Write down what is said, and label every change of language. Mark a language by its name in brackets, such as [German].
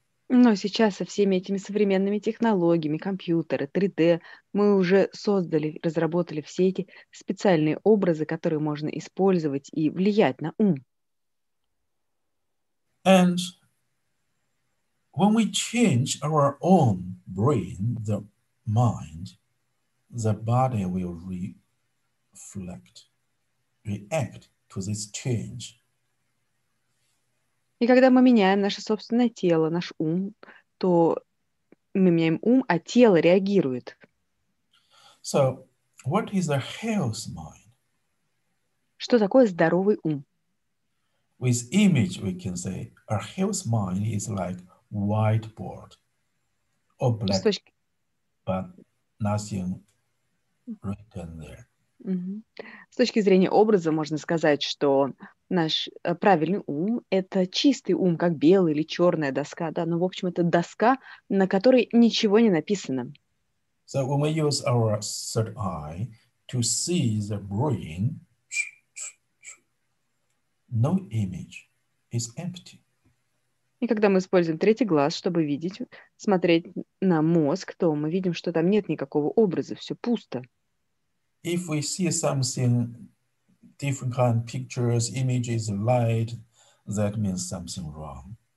[Russian] Но сейчас со всеми этими современными технологиями, компьютеры, 3D, мы уже создали, разработали все эти специальные образы, которые можно использовать и влиять на ум. [English] And when we change our own brain, the mind, the body will react to this change. [Russian] И когда мы меняем наше собственное тело, наш ум, то мы меняем ум, а тело реагирует. [English] So, what is a health mind? [Russian] Что такое здоровый ум? [English] With image, we can say a health mind is like whiteboard or black, but nothing written there. [Russian] С точки зрения образа можно сказать, что наш правильный ум – это чистый ум, как белая или черная доска, да, но, в общем, это доска, на которой ничего не написано. [English] So when we use our third eye to see the brain, no image is empty. [Russian] И когда мы используем третий глаз, чтобы видеть, смотреть на мозг, то мы видим, что там нет никакого образа, все пусто. [English] If we see something, different kind of pictures, images, light, that means something wrong.